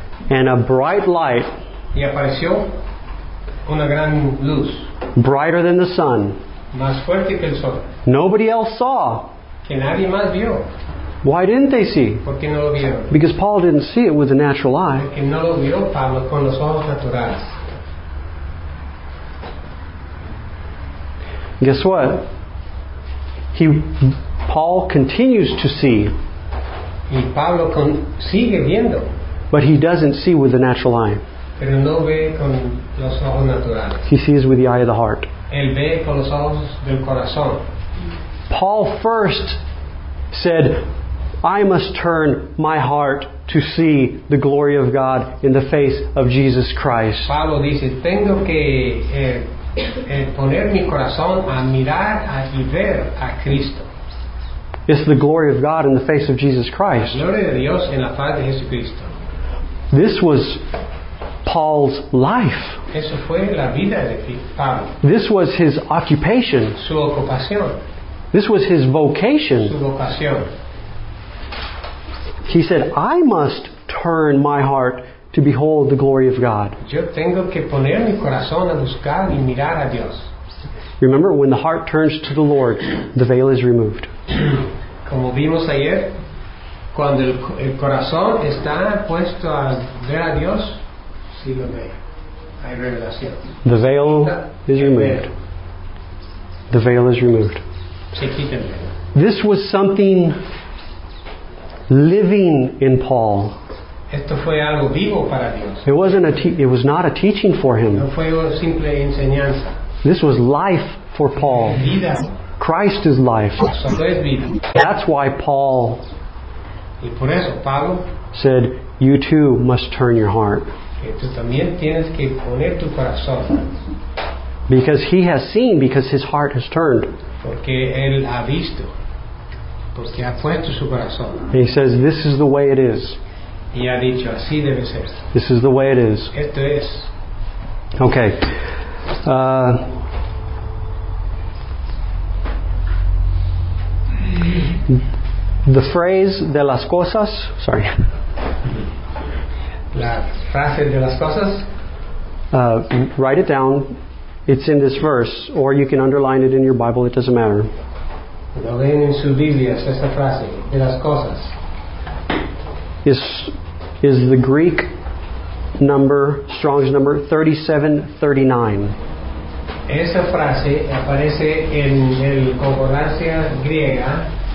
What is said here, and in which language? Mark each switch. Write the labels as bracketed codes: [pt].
[en] And a bright light. [es] Y apareció una gran luz. [en] Brighter than the sun. [es] Más fuerte que el sol. [en] Nobody else saw. [es] Que nadie más vio. [en] Why didn't they see? [es] Porque no lo vieron. [en] Because Paul didn't see it with the natural eye. [es] Porque no lo vio Pablo con los ojos naturales. [en] Guess what? Paul continues to see. [es] Y Pablo sigue viendo. [en] But he doesn't see with the natural eye. [es] Pero no ve con los ojos naturales. [en] He sees with the eye of the heart. [es] Él ve con los ojos del corazón. [en] Paul first said, I must turn my heart to see the glory of God in the face of Jesus Christ. [es] Pablo dice, tengo que poner mi corazón a mirar y ver a Cristo. [en] It's the glory of God in the face of Jesus Christ. [es] La gloria de Dios en la faz de Jesucristo. [en] This was Paul's life. [es] Eso fue la vida de Pablo. [en] This was his occupation. [es] Su ocupación. [en] This was his vocation. [es] Su vocación. [en] He said, I must turn my heart to behold the glory of God. [es] Yo tengo que poner mi corazón a buscar y mirar a Dios. [en] Remember, when the heart turns to the Lord, the veil is removed. [es] Como vimos ayer, cuando el corazón está puesto a ver a Dios, sí lo ve. Hay revelación. [en] The veil is removed. The veil is removed. [es] Se quita el veil. [en] This was something living in Paul. [es] Esto fue algo vivo para Dios. [en] It wasn't it was not a teaching for him. [es] No fue una simple enseñanza. [en] This was life for Paul. [es] Vida. [en] Christ is life. [es] Eso es vida. [en] That's why Paul, [es] y por eso, Pablo, [en] said, you too must turn your heart. [es] Que tú también tienes que poner tu corazón. [en] Because he has seen, because his heart has turned. [es] Porque él ha visto. Porque ha puesto su corazón. [en] And he says, this is the way it is. [es] Y ha dicho, así debe ser. [en] This is the way it is. [es] Esto es. [en] Okay. The phrase [es] de las cosas, [en] sorry. [es] La frase de las cosas. [en] Write it down. It's in this verse, or you can underline it in your Bible. It doesn't matter. [es] Lo ven en su Biblia esta frase de las cosas. [en] Is the Greek number, Strong's number, 3739. [es] Esa frase aparece en el concordancia griega.